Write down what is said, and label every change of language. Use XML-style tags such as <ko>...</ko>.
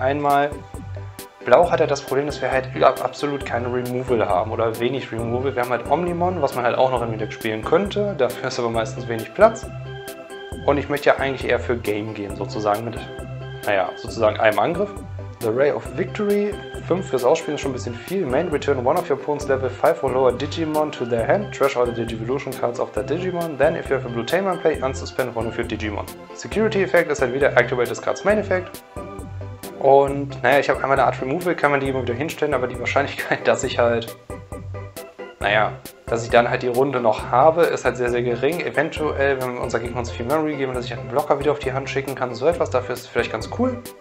<de>Einmal, blau hat er das Problem, dass wir halt absolut keine Removal haben oder wenig Removal. Wir haben halt Omnimon, was man halt auch noch im Deck spielen könnte. Dafür ist aber meistens wenig Platz. Und ich möchte ja eigentlich eher für Game gehen, sozusagen mit, naja, sozusagen einem Angriff. The Ray of Victory, 5 fürs Ausspielen ist schon ein bisschen viel.</de> <en>Main, return one of your opponent's level 5 or lower Digimon to their hand. Trash all the Digivolution cards of that Digimon. Then, if you have a blue Tamer in play, unsuspend one of your Digimon. Security Effect</en> <de>ist halt wieder</de> <en>Activate this card's Main Effect.</en> <de>Und, naja, ich habe einmal eine Art Removal, kann man die immer wieder hinstellen, aber die Wahrscheinlichkeit, dass ich halt, naja, dass ich dann halt die Runde noch habe, ist halt sehr, sehr gering. Eventuell, wenn unser Gegner uns viel Memory geben, dass ich halt einen Blocker wieder auf die Hand schicken kann, so etwas, dafür ist es vielleicht ganz cool.</de>